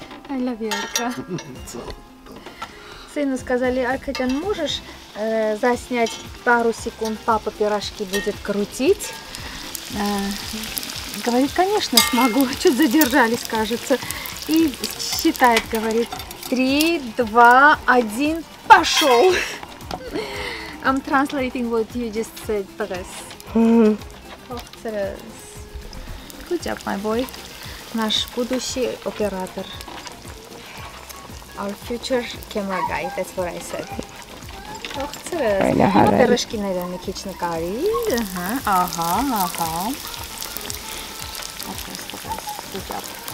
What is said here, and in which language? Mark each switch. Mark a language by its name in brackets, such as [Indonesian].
[Russian] Аля Верка. Сыну сказали, Аркадьян, можешь заснять пару секунд, папа пирожки будет крутить. Говорит, конечно, смогу. Чуть задержались, кажется. И считает, говорит, 3, 2, 1, пошел. [English] I'm translating what you just said, Teres. Oh, Teres. Good job, my boy. [Russian] Наш будущий оператор. [English] Our future camera guy, that's what I said. Oh, Teres. [Russian] Пирожки, наверное, кичный карри. Ага. [English] Good job.